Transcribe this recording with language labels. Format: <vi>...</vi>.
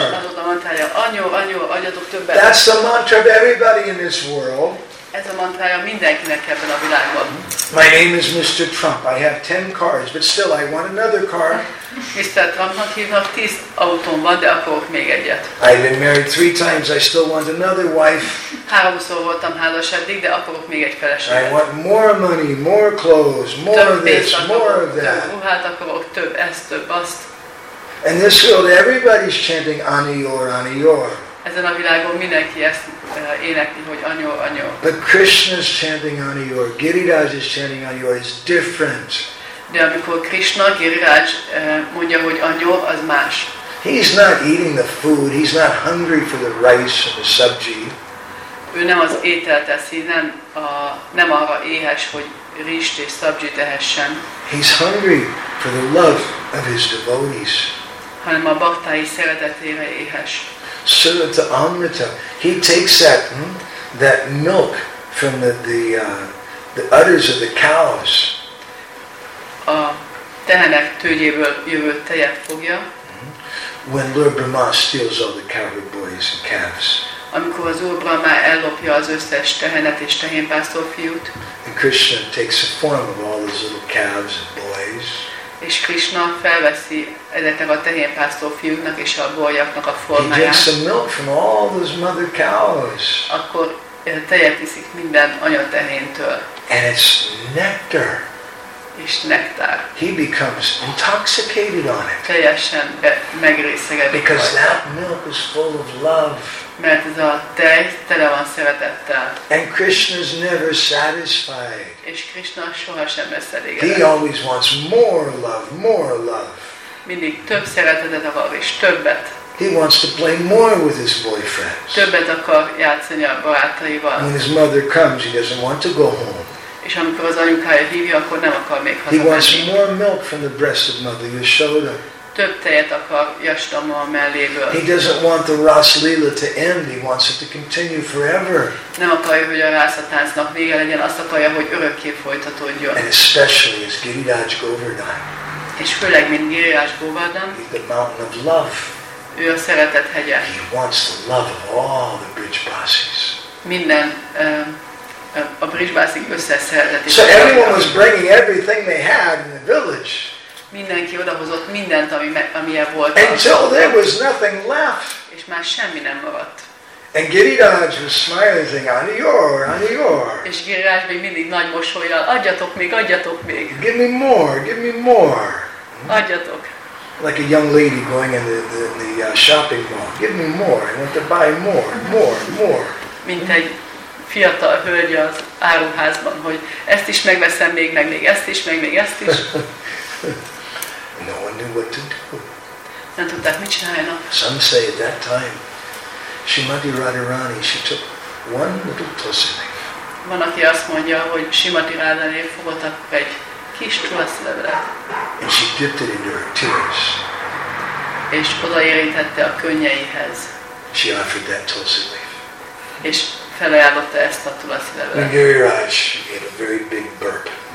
<hu>És az a mantrája, Anyor, Anyor, adjatok többet.</hu> <en>That's the mantra of everybody in this world.</en> <hu>Ez a mantrája mindenkinek ebben a világban.</hu> <en>My name is Mr. Trump. I have 10 cars, but still I want another car. Mr.</en> <hu>Trumpnak hívnak, 10 autón van, de akarok még egyet.</hu> <en>I've been married 3 times, I still want another wife.</en> <hu>Háromszor voltam házas eddig, de akarok még egy feleséget.</hu> <en>I want more money, more clothes, more</en> <hu>több</hu> <en>this, more of that.</en> <hu>Több ruhát akarok, több ezt, több azt.</hu> <en>And this world, everybody's chanting Anyor, Anyor.</en> <hu>Ezen a világon mindenki ezt énekli, hogy Anyo, Anyo.</hu> <en>But Krishna's chanting Anyor, Giridharaj is chanting Anyor, is different.</en> <hu>De amikor Krishna, Giridharaj mondja, hogy Anyo, az más.</hu> <en>He's not eating the food, he's not hungry for the rice or the sabji.</en> <hu>Ő nem az ételt eszi, nem arra éhes, hogy rizst és sabji tehessen.</hu> <en>He's hungry for the love of his devotees.</en> <hu>Hanem a baktái szeretetére éhes.</hu> <en>So the Amrita, he takes that that milk from the udders of the cows.</en> <hu>A tehenek tőgyéből jövő tejet fogja.</hu> <en>When Lord Brahma steals all the cowherd boys and calves.</en> <hu>Amikor az Úr Brahma ellopja az összes tehenet és tehénpásztor fiút.</hu> <en>And Krishna takes the form of all those little calves and boys.</en> <hu>És Krishna felveszi ezeknek a tehénpásztor fiúknak és a gólyaknak a formáját.</hu> <en>He drinks some milk from all those mother cows.</en> <hu>Akkor tejet iszik minden anya tehéntől.</hu> <en>And it's nectar.</en> <hu>És nektár.</hu> <en>He becomes intoxicated on it.</en> <hu>Teljesen megrészegedik.</hu> <en>Because that milk is full of love.</en> <hu>Mert ez a tej tele van szeretettel.</hu> <en>And Krishna's never satisfied.</en> <hu>És Krishna sohasem lesz elégedett.</hu> <en>He always wants more love, more love.</en> <hu>Mindig több szeretetet akar, és többet.</hu> <en>He wants to play more with his boyfriends.</en> <hu>Többet akar játszani a barátaival.</hu> <en>When his mother comes, he doesn't want to go home.</en> <hu>És amikor az anyukája hívja, akkor nem akar még hazamenni.</hu> <en>He wants more milk from the breast of mother Yashoda.</en> <hu>Több tejet akar Yashoda melléből.</hu> <en>He doesn't want the Rasleela to end. He wants it to continue forever.</en> <hu>Nem akarja, hogy a rászatáncnak vége legyen. Azt akarja, hogy örökké folytatódjon.</hu> <en>And especially as Giridharaj Govardhan.</en> <hu>És főleg, mint Giridharaj Govardhan.</hu> <en>He's the mountain of love.</en> <hu>Ő a szeretet hegye.</hu> <en>He wants the love of all the Brijbasis.</en> <hu>Minden a Brijbasik összes szeretetét.</hu> <en>So everyone was bringing everything they had in the village.</en> <hu>Mindenki odahozott mindent, amilyen volt.</hu> <en>Until there was nothing left.</en> <hu>És már semmi nem maradt.</hu> <en>And Giridharaj was smiling, Anyor, Anyor.</en> <hu>És Giridharaj még mindig nagy mosolyjal, adjatok még, adjatok még.</hu> <en>Give me more, give me more.</en> <hu>Adjatok.</hu> <en>Like a young lady going in the shopping mall. Give me more, I want to buy more, more, more.</en> <hu>Mint egy fiatal hölgy az áruházban, hogy ezt is megveszem még, meg még ezt is, meg még ezt is.</hu> <en>No one knew what to do.</en> <hu>Nem tudták, mit csináljanak.</hu> <en>Some say at that time, Srimati Radharani, she took one little tulsi leaf.</en> <hu>Van, aki azt mondja, hogy Srimati Radharani fogott akkor egy kis tulsi levelet.</hu> <en>And she dipped it into her tears.</en> <hu>És odaérintette a könnyeihez.</hu> <en>She offered that tulsi leaf.</en> <hu>És felajánlotta ezt a tulsi levelet.</hu> <en>And Giridharaj, she gave a very big burp.</en>